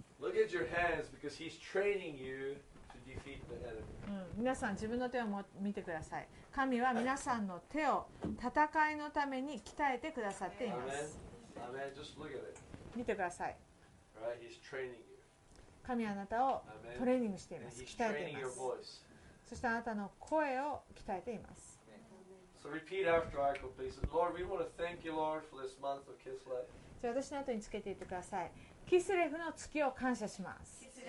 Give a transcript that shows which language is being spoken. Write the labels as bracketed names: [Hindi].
[English] Look at your hands because he's training you to defeat the enemy. [Japanese] 皆さん自分の手を見てください。神は皆さんの手を戦いのために鍛えてくださっています。 [English] Amen. Amen. Just look at it. [Japanese] 見てください。 [English] Right, he's training you. [Japanese] 神はあなたをトレーニングしています。鍛えています。そしてあなたの声を鍛えています。 [English] So repeat after I complete. Lord, we want to thank you, Lord, for this month of Kislev. [Japanese] じゃあ私の後につけていてください。キスレフの月を感謝します。